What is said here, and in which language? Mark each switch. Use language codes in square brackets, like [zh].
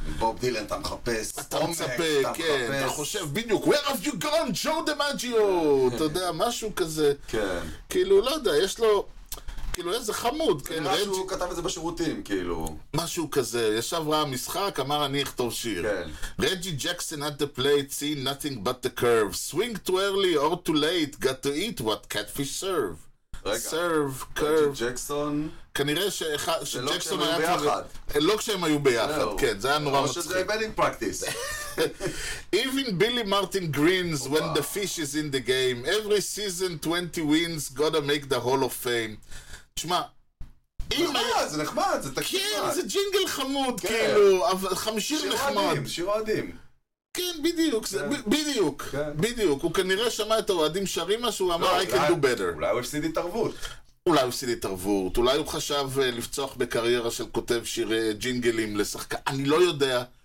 [he] בוב דילן, אתה מחפש. אתה מצפה, כן. אתה חושב, בדיוק, [en] where have you gone, [he] ג'ו דמאג'יו? אתה יודע, משהו כזה. כן. כאילו, לא יודע, יש לו... כאילו איזה חמוד, כן, רג'י. משהו כתב את זה בשירותים, כאילו. משהו כזה, ישב רע המשחק, אמר אני אכתוב שיר. כן. [en] רג'י ג'קסון at the plate, seen nothing but the curve. Swing too early or too late, got to eat what catfish serve. [he] רגע. [en] Serve, curve. רג'י [he] ג'קסון. כנראה שאחד, שג'קסון היה... זה לא כשהם היו ביחד. לא כשהם היו ביחד, כן, זה היה נורא מצחיק. או שזה בטינג פרקטיס. [en] Even Billy Martin grins when the fish is in the game. Every season 20 wins, gotta make the hall of fame. [he] תשמע, זה נחמד, זה תקשיב. כן, זה ג'ינגל חמוד, כאילו, אבל חמשיר נחמד. שיר אוהדים. כן, בדיוק, בדיוק, בדיוק. הוא כנראה שמע את האוהדים שרים משהו, הוא אמר, [en] I can do better. [he] אולי הוא הפסיד התערבות. אולי הוא עשיד התערבות, אולי הוא חשב לפצוח בקריירה של כותב שירי ג'ינגלים לשחקן, אני לא יודע.